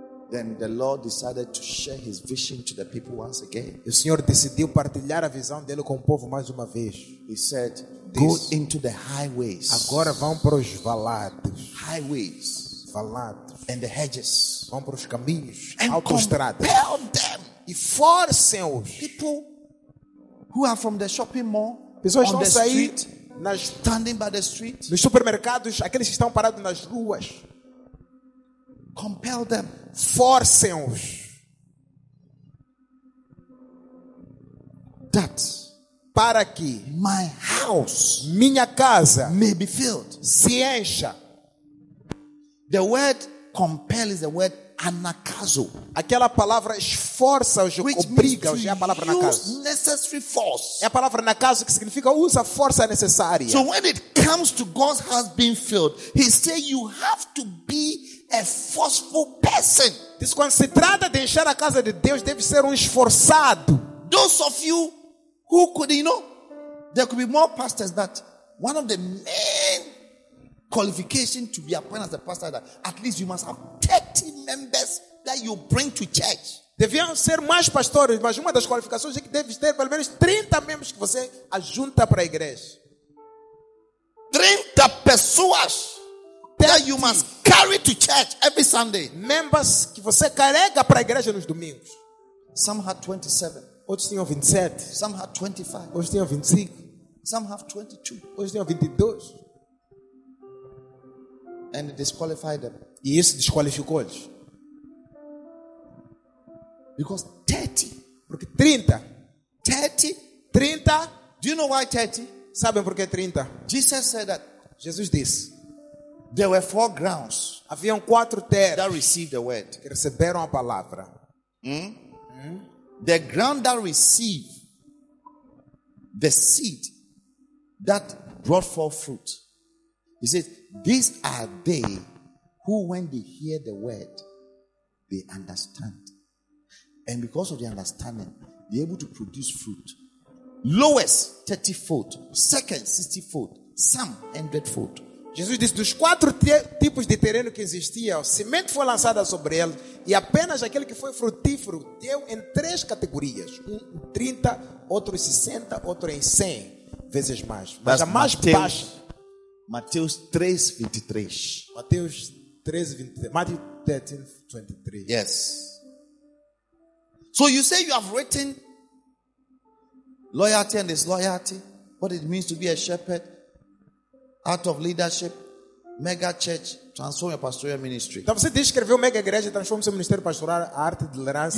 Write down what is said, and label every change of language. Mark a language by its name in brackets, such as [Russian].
[English] Then the Lord decided to share his vision to the people once again. [Portuguese] O Senhor decidiu partilhar a visão dele com o povo mais uma vez. [English] He said, go into the highways. [Portuguese] Agora vão para os valados. [English] Highways. [Portuguese] Valados. [English] And the hedges. [Portuguese] Vão para os caminhos. [English] And [Portuguese] autoestradas. [English] Compel them. [Portuguese] E forcem-os. [English] People who are from the shopping mall. [Portuguese] Pessoas [English] on the [Portuguese] saindo [English] street, [Portuguese] nas, [English] standing by the street. [Portuguese] Nos supermercados, aqueles que estão parados nas ruas. [English] Compel them. [Portuguese] Forcem-os. [English] That. [Portuguese] Para que. [English] My house. [Portuguese] Minha casa. [English] May be filled. [Portuguese] Se encha. [English] The word compel is the word anakazo. [Portuguese] Aquela palavra esforça os obriga os é a palavra [English] use necessary force. [Portuguese] É a palavra anakazo que significa usa a força necessária. [English] So when it comes to God's house being filled, he says you have to be a forceful person. [Portuguese] Diz, quando se trata de encher a casa de Deus, deve ser esforçado. [English] Those of you who could, you know, there could be more pastors that one of the main qualifications to be appointed as a pastor that at least you must have 30 members that you bring to church. [Portuguese] Deviam ser mais pastores, mas uma das qualificações é que deve ter pelo menos 30 membros que você ajunta para a igreja. 30 pessoas. [English] That you must carry to church every Sunday. Members [Portuguese] que você carrega para a igreja nos domingos. [English] Some had 27. [Portuguese] Outros tinham 27. [English] Some had 25. [Portuguese] Outros tinham 25. [English] Some have 22. [Portuguese] Outros tinham 22. [English] And it disqualified them. [Portuguese] E isso desqualificou-os. [English] Because 30. [Portuguese] Porque 30. [English] 30. [Portuguese] 30. [English] Do you know why 30? [Portuguese] Sabem por que 30? [English] Jesus said that. [Portuguese] Jesus disse. [English] There were four grounds. [Portuguese] Haviam quatro terras [English] that received the word. [Portuguese] Que receberam a palavra. [English] The ground that received the seed that brought forth fruit. He says, these are they who, when they hear the word, they understand. And because of the understanding, they're able to produce fruit. Lowest, 30-fold. Second, 60-fold. Some, 100-fold. [Portuguese] Jesus disse, dos quatro tipos de terreno que existiam, a semente foi lançada sobre ele e apenas aquele que foi frutífero deu em três categorias. Um em 30, outro em 60, outro em 100 vezes mais. Mas a mais baixa. Mateus 3, 23. Mateus Matthew 13:23. [English] Yes. So you say you have written loyalty and disloyalty, what it means to be a shepherd, art of leadership, mega church, transform your pastoral ministry. [Portuguese] Então você descreveu mega igreja, transforma seu ministério pastoral, a arte de liderança.